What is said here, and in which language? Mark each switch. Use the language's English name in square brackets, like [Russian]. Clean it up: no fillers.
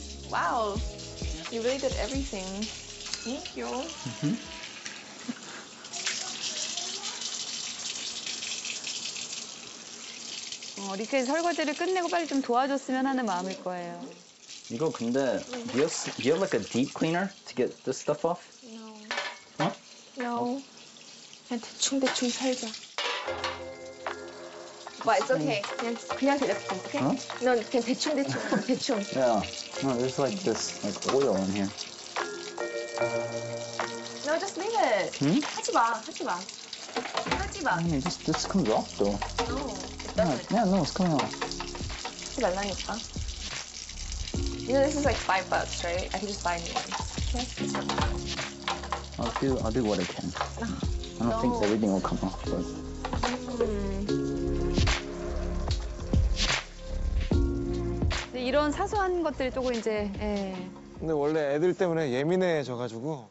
[English] 와우, you really did everything. Thank you. [Korean] 이렇게 설거지를 끝내고 빨리 좀 도와줬으면 하는 마음일 거예요. 이거 근데, [English] do you have like a deep cleaner to get this stuff off? No. [Korean] 어? No. 그냥 대충 살자. [English] But it's okay. [Korean] 그냥 대충. Okay? 어? 넌 그냥 대충. [English] Yeah. No, there's like this like oil in here. No, just leave it. [Korean] 응? 하지 마. [English] I mean, this comes off though. No. Yeah, no, it's coming off. [Korean] 하지 말라니까. [English] You know, this is like $5, right? I can just buy new ones. Okay? I'll do what I can. I don't think everything will come off, but. [Korean] 이런 사소한 것들이 또 이제. 예. 근데 원래 애들 때문에 예민해져가지고.